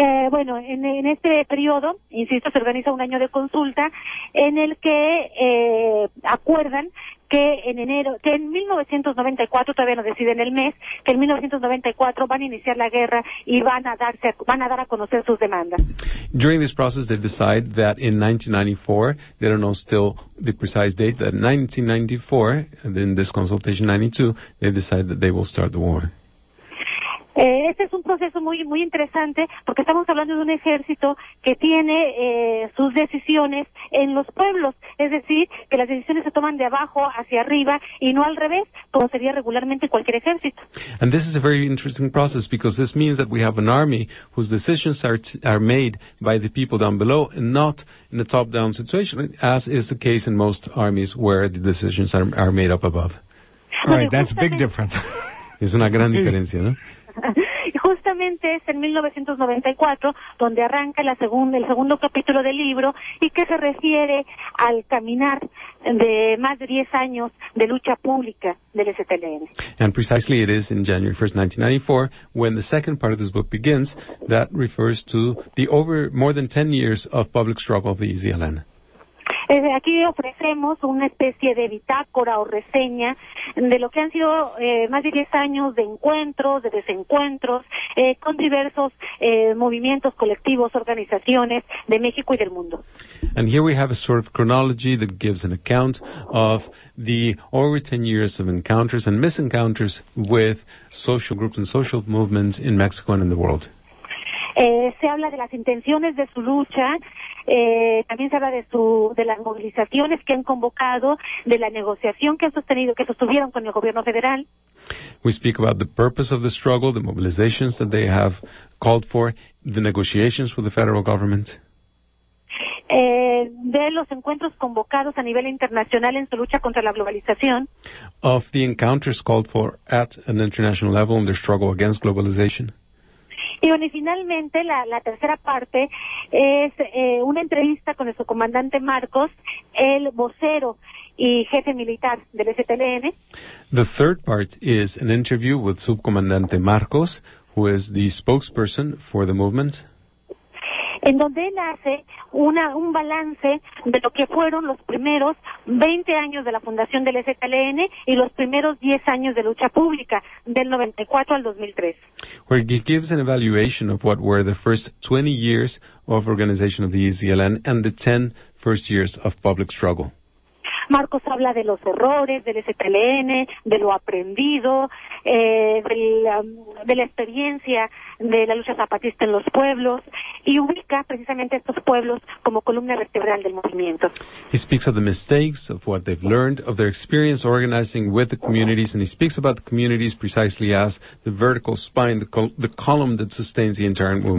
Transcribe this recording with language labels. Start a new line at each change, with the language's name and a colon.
Spanish: Bueno, en este periodo, insisto, se organiza un año de consulta en el que acuerdan que en enero, que en 1994, todavía no deciden el mes, que en 1994 van a iniciar la guerra y van a dar a conocer sus demandas.
English: During this process, they decide that in 1994, they don't know still the precise date, that in 1994, in this consultation 92, they decide that they will start the war.
Spanish: Este es un proceso muy muy interesante porque estamos hablando de un ejército que tiene sus decisiones en los pueblos, es decir, que las decisiones se toman de abajo hacia arriba y no al revés, como sería regularmente cualquier ejército.
English: And this is a very interesting process because this means that we have an army whose decisions are made by the people down below and not in a top-down situation, as is the case in most armies where the decisions are made up above. All right, that's a big difference.
Spanish: Es una gran diferencia, ¿no? Y justamente es en 1994 donde arranca el segundo capítulo del libro y que se refiere al caminar de más de 10 años de lucha pública del STLN.
English: And precisely it is in January 1st, 1994, when the second part of this book begins, that refers to the over more than 10 years of public struggle of the EZLN.
Spanish: Aquí ofrecemos una especie de bitácora o reseña de lo que han sido más de 10 años de encuentros, de desencuentros, con diversos movimientos, colectivos, organizaciones de México y del mundo.
English: And here we have a sort of chronology that gives an account of the over 10 years of encounters and misencounters with social groups and social movements in Mexico and in the world.
Spanish: Se habla de las intenciones de su lucha, también se habla de las movilizaciones que han convocado, de la negociación que han sostenido, que sostuvieron con el gobierno federal.
English: We speak about the purpose of the struggle, the mobilizations that they have called for, the negotiations with the federal government.
Spanish: De los encuentros convocados a nivel internacional en su lucha contra la globalización.
English: Of the encounters called for at an international level in their struggle against globalization.
Spanish: Y bueno, y finalmente la tercera parte es una entrevista con nuestro comandante Marcos, el vocero y jefe militar del STLN.
English: The third part is an interview with subcomandante Marcos, who is the spokesperson for the movement.
Spanish: en donde él hace un balance de lo que fueron los primeros 20 años de la fundación del EZLN y los primeros 10 años de lucha pública del 94 al 2003.
English: Where he gives an evaluation of what were the first 20 years of organization of the EZLN and the 10 first years of public struggle.
Spanish: Marcos habla de los errores del EZLN, de lo aprendido, de la experiencia de la lucha zapatista en los pueblos, y ubica precisamente estos pueblos como columna vertebral del movimiento.
English: He speaks of the mistakes, of what they've learned, of their experience organizing with the communities, and he speaks about the communities precisely as the vertical spine, the column that sustains the entire movement.